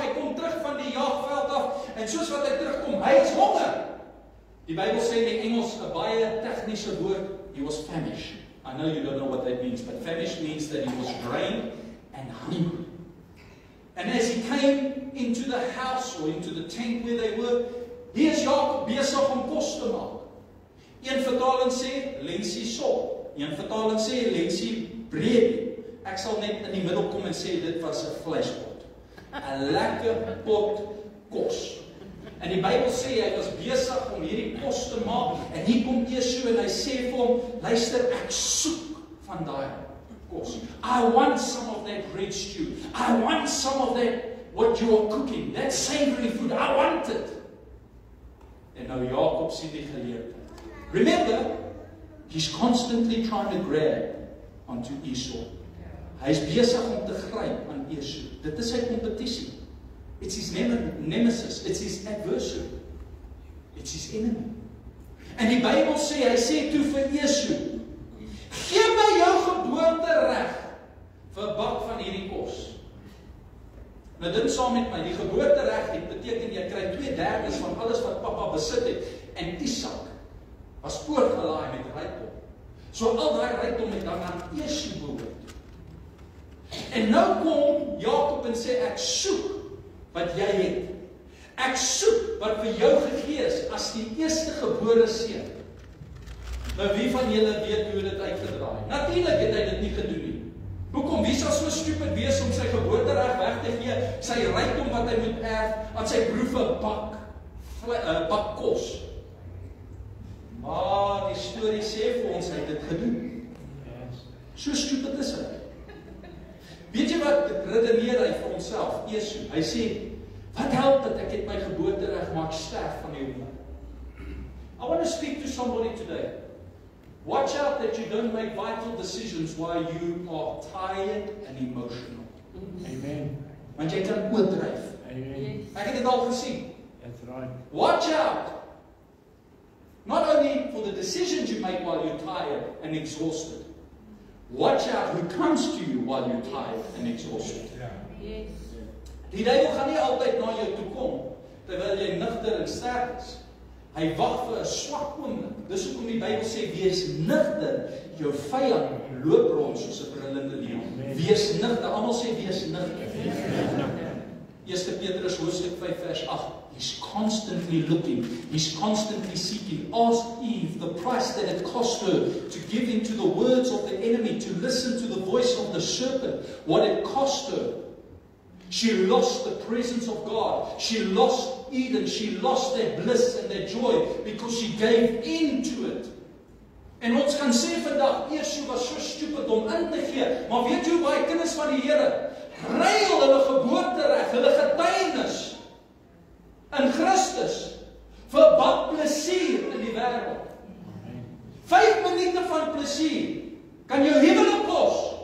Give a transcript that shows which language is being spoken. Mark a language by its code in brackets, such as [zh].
[af] Hy kom terug van die jagveld af en soos wat hy terugkom, hy is honger. Die Bybel sê in Engels 'n baie tegniese woord, [en] he was famished. I know you don't know what that means, but famished means that he was drained and hungry. And as he came into the house or into the tent where they were, [af] hier is Jakob besig om kos te maak. Een vertaling sê lensie sop. Een vertaling sê lensie brood. Ek sal net in die middel kom en sê dit was 'n fleshpot. 'N lekker pot kos. En die Bybel sê hy was besig om hierdie kos te maak en hier kom Esau en hy sê vir hom, luister, ek soek van daai kos. [en] I want some of that red stew. I want some of that what you are cooking. That savory food. I want it. [af] En nou Jakob sien die geleentheid. [en] Remember, he's constantly trying to grab onto Esau. [af] Hy is besig om te gryp aan Esau. Dit is sy kompetisie. [en] It's his nemesis, it's his adversary, it's his enemy. [af] En die Bybel sê, hy sê toe vir Esau, gee my jou geboortereg vir 'n bak van hierdie kos. Nou dink saam met my, die geboortereg het beteken jy kry 2/3 van alles wat pappa besit het, en Isak was oorgelaai met rykdom. So al daai rykdom het dan aan Esau behoort. En nou kom Jakob en sê, ek soek wat jy het. Ek soek wat vir jou gegee is as die eerste gebore seun. Nou wie van julle weet hoe dit uitgedraai? Natuurlik het hy dit nie gedoen nie. Hoekom? Wie sou so stupid wees om sy geboortereg weg te gee, sy rykdom wat hy moet erf, aan sy broer vir 'n bak kos? Maar die storie sê vir ons hy het dit gedoen. So stupid is hy. Weet jy wat redeneer hy vir homself? Esau. Hy sê, wat help dat ek het my geboortereg, maar ek sterf van die honger. [en] I want to speak to somebody today. Watch out that you don't make vital decisions while you are tired and emotional. Amen. [af] Want jy kan oordryf. Amen. Ek het dit al gesien. [en] That's right. Watch out. Not only for the decisions you make while you're tired and exhausted. Watch out who comes to you while you're tired and exhausted. Yeah. Yes. [af] Die duivel gaan nie altyd na jou toe kom terwyl jy nugter en sterk is. Hy wag vir 'n swak oomblik. Dis hoekom die Bybel sê wees nugter. Jou vyand loop rond soos 'n brullende leeu. Wees nugter. Almal sê wees nugter. 1 Petrus hoofstuk 5 vers 8. [en] He's constantly looking. He's constantly seeking. Ask Eve the price that it cost her to give in to the words of the enemy, to listen to the voice of the serpent. What it cost her. She lost the presence of God. She lost Eden. She lost their bliss and their joy because she gave in to it. [af] En ons kan sê vandag, Esau was so stupid om in te gee. Maar weet jy hoe baie kinders van die Here ruil hulle geboortereg, hulle getuienis in Christus vir 'n bak plesier in die wêreld. 5 minute van plesier kan jou huwelik kos.